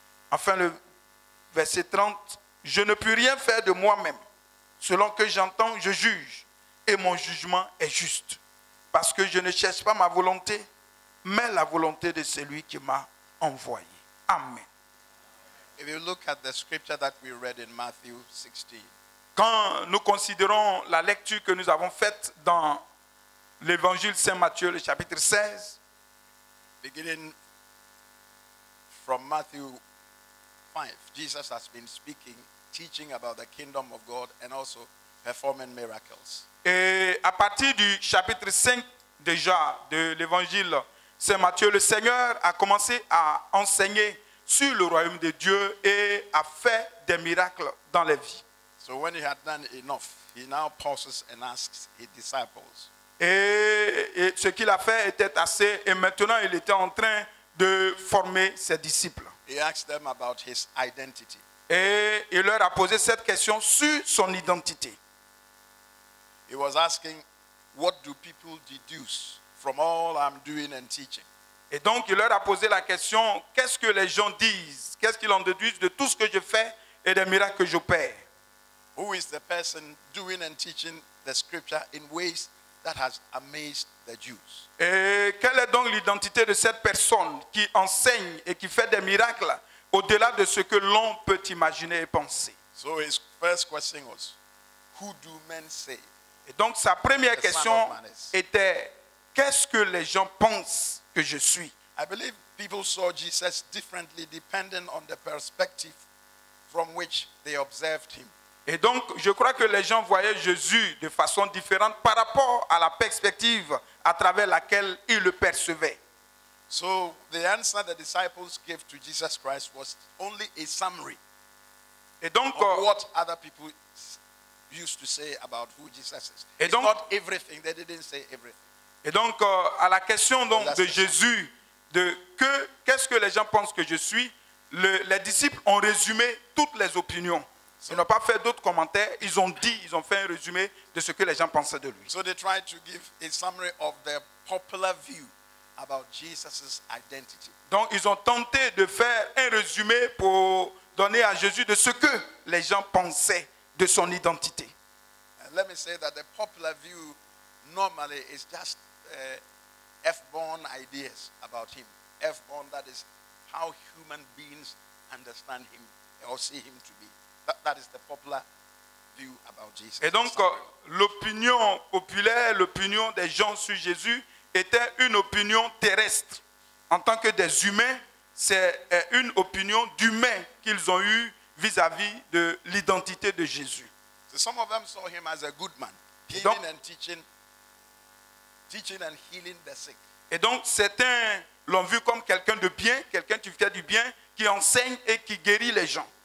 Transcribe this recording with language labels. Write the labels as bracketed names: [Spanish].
[French] Enfin, le verset 30, « Je ne puis rien faire de moi-même. Selon que j'entends, je juge, et mon jugement est juste, parce que je ne cherche pas ma volonté, mais la volonté de celui qui m'a envoyé. » Amen. [English] If you look at the scripture that we read in Matthew 16, [French] quand nous considérons la lecture que nous avons faite dans l'évangile Saint Matthieu, le chapitre 16, [English] beginning from Matthew 5, Jesus has been speaking, teaching about the kingdom of God and also performing miracles. [French] Et à partir du chapitre 5 déjà de l'évangile Saint Matthieu, le Seigneur a commencé à enseigner sur le royaume de Dieu et a fait des miracles dans les vies. [English] So when he had done enough, he now pauses and asks his disciples. [French] Et ce qu'il a fait était assez, et maintenant il était en train de former ses disciples. [English] He asked them about his identity. [French] Et il leur a posé cette question sur son identité. [English] He was asking, what do people deduce from all I'm doing and teaching? [French] Et donc il leur a posé la question, qu'est-ce que les gens disent? Qu'est-ce qu'ils en déduisent de tout ce que je fais et des miracles que j'opère? [English] Who is the person doing and teaching the scripture in ways that has amazed the Jews? [French] Et quelle est donc l'identité de cette personne qui enseigne et qui fait des miracles au-delà de ce que l'on peut imaginer et penser? [English] So his first question was, who do men say? [French] Et donc sa première question était, qu'est-ce que les gens pensent que je suis? [English] I believe people saw Jesus differently depending on the perspective from which they observed him. [French] Et donc, je crois que les gens voyaient Jésus de façon différente par rapport à la perspective à travers laquelle ils le percevaient. [English] So, the answer the disciples gave to Jesus Christ was only a summary. [French] Et donc, [English] of what other people used to say about who Jesus is. [French] Et donc, [English] it's not everything, they didn't say everything. [French] Et donc, à la question donc de Jésus, de qu'est-ce que les gens pensent que je suis, les disciples ont résumé toutes les opinions. Ils n'ont pas fait d'autres commentaires, ils ont dit, ils ont fait un résumé de ce que les gens pensaient de lui. [English] So they tried to give a summary of their popular view about Jesus's identity. [French] Donc ils ont tenté de faire un résumé pour donner à Jésus de ce que les gens pensaient de son identité. [English] And let me say that the popular view normally is just F-born ideas about him. F-born, that is how human beings understand him or see him to be. That is the popular view about Jesus. [French] Et donc, l'opinion populaire, l'opinion des gens sur Jésus était une opinion terrestre. En tant que des humains, c'est une opinion d'humain qu'ils ont eue vis-à-vis de l'identité de Jésus. [English] So some of them saw him as a good man, healing and teaching and healing the sick. [French] Et donc, certains l'ont vu comme quelqu'un de bien, quelqu'un qui fait du bien, qui enseigne et qui guérit les gens.